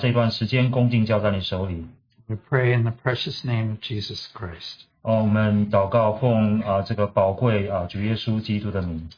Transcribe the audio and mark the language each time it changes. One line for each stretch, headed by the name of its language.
Chinese: 我们求你来引导我们，把这段时间恭敬交在你手里。
English: We pray in the precious name of Jesus Christ.
Chinese: 我们祷告奉这个宝贵主耶稣基督的名。